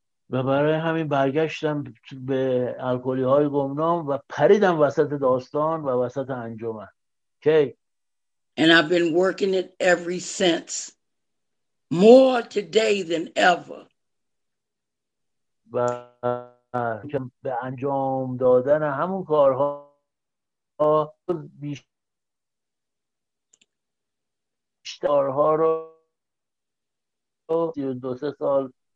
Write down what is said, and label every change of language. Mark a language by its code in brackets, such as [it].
[fa] و برای همین برگشتم به الکلی های گمنام و پریدم وسط داستان و وسط انجمن. [en] Okay. And I've been working it ever since, more today than ever. [fa] و به انجام دادن همون کارها بیشتر کارها رو 32 سال.